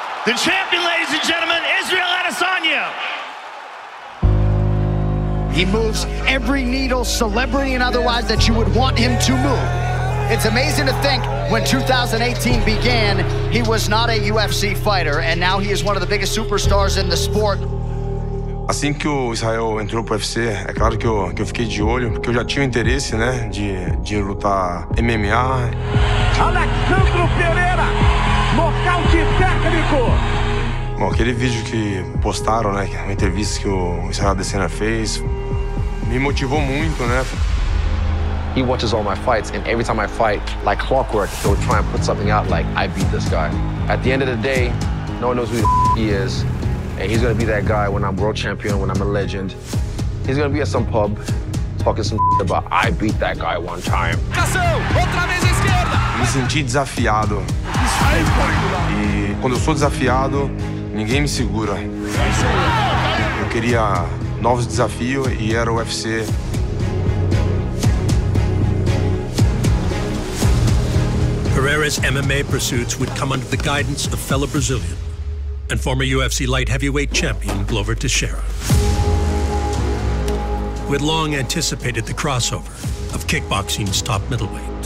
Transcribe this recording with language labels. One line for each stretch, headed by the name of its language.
English: The champion, ladies and gentlemen, Israel Adesanya. He moves every needle, celebrity and otherwise, that you would want him to move. It's amazing to think when 2018 began, he was not a UFC fighter, and now he is one of the biggest superstars in the sport.
Portuguese: Assim que o Israel entrou pro UFC, é claro que eu fiquei de olho, porque eu já tinha o interesse, né, de lutar MMA. Alex Pereira, nocaute técnico! Bom, aquele vídeo que postaram, né, uma entrevista que o Israel Adesanya fez, me motivou muito, né?
English: He watches all my fights, and every time I fight, like clockwork, he'll try and put something out like, I beat this guy. At the end of the day, no one knows who the he is. And he's gonna be that guy when I'm world champion, when I'm a legend. He's gonna be at some pub talking some about I beat that guy one time.
Portuguese: Me senti desafiado. E quando eu sou desafiado, ninguém me segura. Eu queria novos desafios e era o UFC.
English: Pereira's MMA pursuits would come under the guidance of fellow Brazilian and former UFC light heavyweight champion, Glover Teixeira, who had long anticipated the crossover of kickboxing's top middleweight.